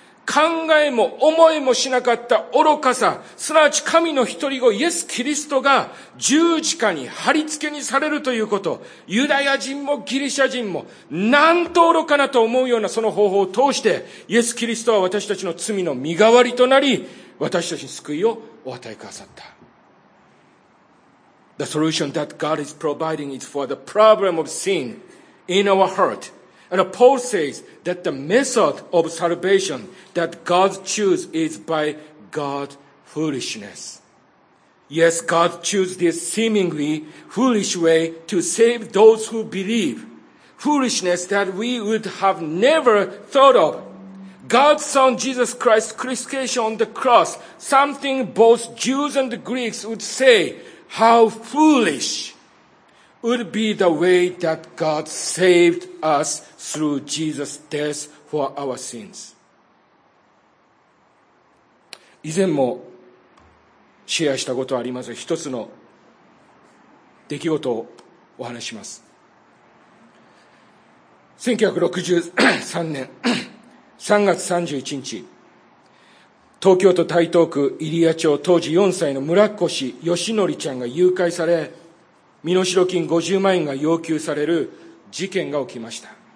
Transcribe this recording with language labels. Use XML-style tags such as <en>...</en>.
<ja>考えも思いもしなかった愚かさ、すなわち神の一人子イエス・キリストが十字架に貼り付けにされるということ、ユダヤ人もギリシャ人も、なんと愚かなと思うようなその方法を通して、イエス・キリストは私たちの罪の身代わりとなり、私たちに救いをお与えくださった。</ja> <en>The solution that God is providing is for the problem of sin in our heart. And Paul says that the method of salvation that God chooses is by God's foolishness. Yes, God chooses this seemingly foolish way to save those who believe. Foolishness that we would have never thought of. God's Son Jesus Christ's crucifixion on the cross, something both Jews and Greeks would say,How foolish would be the way that God saved us through Jesus' death for our sins.</en> <ja>以前もシェアしたことあります。一つの出来事をお話します。 1963年3月31日、東京都台東区入谷町当時4歳の村越義則ちゃんが誘拐され、身代金50万円が要求される事件が起きました。</ja>